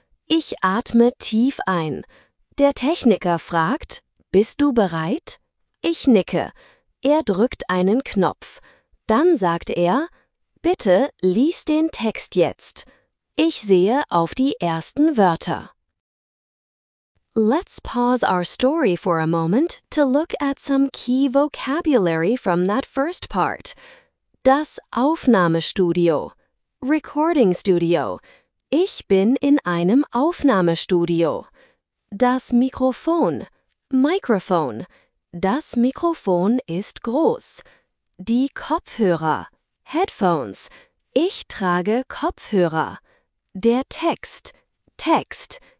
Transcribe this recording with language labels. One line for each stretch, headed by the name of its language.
German: Ich atme tief ein. Der Techniker fragt, bist du bereit? Ich nicke. Er drückt einen Knopf. Dann sagt er, bitte lies den Text jetzt. Ich sehe auf die ersten Wörter.
English: Let's pause our story for a moment to look at some key vocabulary from that first part.
German: Das Aufnahmestudio.
English: Recording Studio.
German: Ich bin in einem Aufnahmestudio. Das Mikrofon. Microphone. Das Mikrofon ist groß. Die Kopfhörer. Headphones. Ich trage Kopfhörer. Der Text. Text.